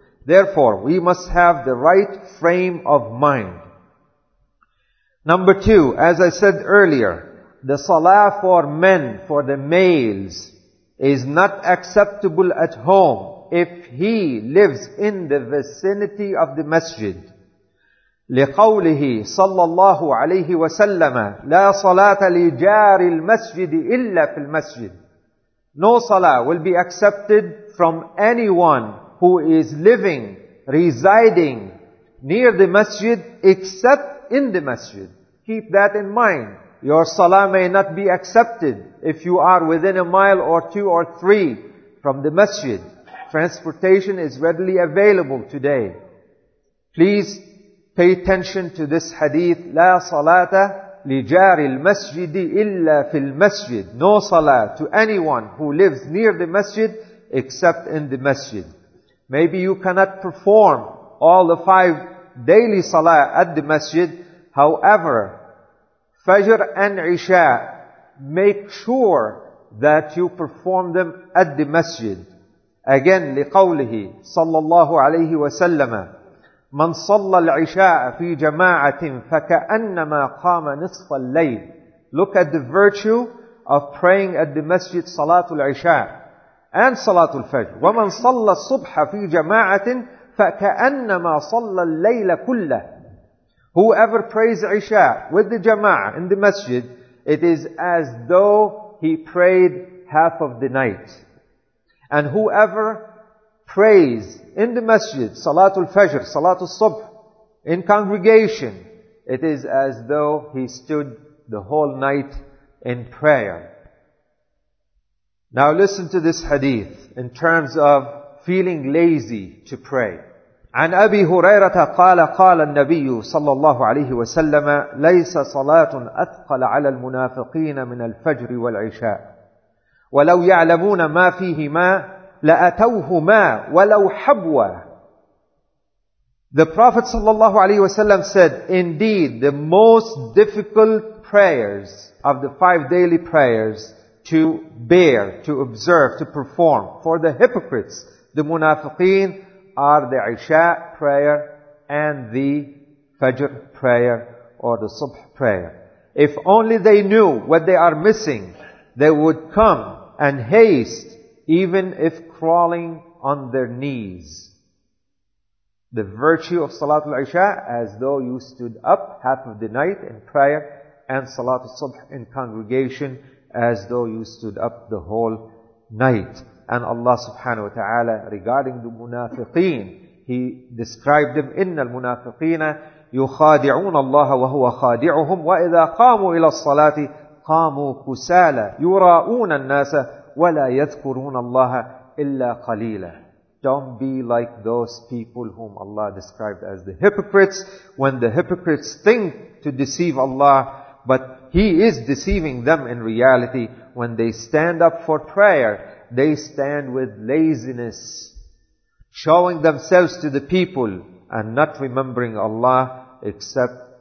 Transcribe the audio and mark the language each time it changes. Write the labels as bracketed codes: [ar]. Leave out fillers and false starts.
[en] Therefore, we must have the right frame of mind. Number two, as I said earlier, the salah for men, for the males, is not acceptable at home if he lives in the vicinity of the masjid. [ar] لقوله صلى الله عليه وسلم لا صلاة لجار المسجد إلا في المسجد. [en] No salah will be accepted from anyone who is living, residing near the masjid except in the masjid. Keep that in mind. Your salah may not be accepted if you are within a mile or two or three from the masjid. Transportation is readily available today. Please pay attention to this hadith. [ar] لا صلاة لجار المسجد إلا في المسجد. [en] No salah to anyone who lives near the masjid except in the masjid. Maybe you cannot perform all the 5 daily salah at the masjid. However, Fajr and Isha, make sure that you perform them at the masjid. Again, [ar] لقوله صلى الله عليه وسلم من صلى العشاء في جماعة فكأنما قام نصف الليل. [en] Look at the virtue of praying at the masjid Salatul Isha and Salatul Fajr. [ar] ومن صلى الصبح في جماعة فكأنما صلى الليل كله. [en] Whoever prays Isha with the jama'ah in the masjid, it is as though he prayed half of the night. And whoever prays in the masjid, Salatul Fajr, Salatul Subh, in congregation, it is as though he stood the whole night in prayer. Now listen to this hadith in terms of feeling lazy to pray. [ar] عن أبي هريرة قال قال النبي صلى الله عليه وسلم ليس صلاة أثقل على المنافقين من الفجر والعشاء ولو يعلمون ما فيهما لَأَتَوْهُمَا وَلَوْ حَبْوَى. [en] The Prophet sallallahu alaihi wasallam said, indeed, the most difficult prayers of the 5 daily prayers to bear, to observe, to perform for the hypocrites, the munafiqeen, are the Isha prayer and the Fajr prayer or the Subh prayer. If only they knew what they are missing, they would come and haste, even if crawling on their knees. The virtue of Salatul Isha, as though you stood up half of the night in prayer, and Salatul Subh in congregation, as though you stood up the whole night. And Allah subhanahu wa ta'ala, regarding the munafiqeen, He described them, [ar] إِنَّ الْمُنَافِقِينَ يُخَادِعُونَ اللَّهَ وَهُوَ خَادِعُهُمْ وَإِذَا قَامُوا إِلَى الصَّلَاةِ قَامُوا كُسَالَ يُرَاءُونَ النَّاسَ وَلَا يَذْكُرُونَ اللَّهَ إِلَّا قَلِيلًا. [en] Don't be like those people whom Allah described as the hypocrites. When the hypocrites think to deceive Allah, but He is deceiving them in reality, when they stand up for prayer, they stand with laziness, showing themselves to the people and not remembering Allah except